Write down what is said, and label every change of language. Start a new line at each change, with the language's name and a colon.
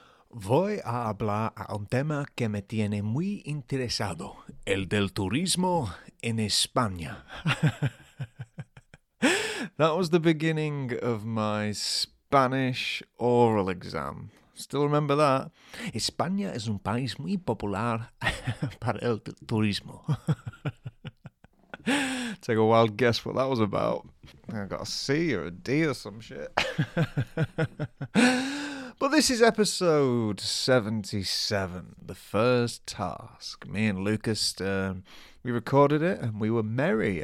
Spanish: Voy a hablar a un tema que me tiene muy interesado, el del turismo en España.
English: That was the beginning of my Spanish oral exam. Still remember that?
Spanish: España es un país muy popular para el turismo.
English: Take a wild guess what that was about. I got a C or a D or some shit. But this is episode 77, The First Task. Me and Lucas, we recorded it and we were merry.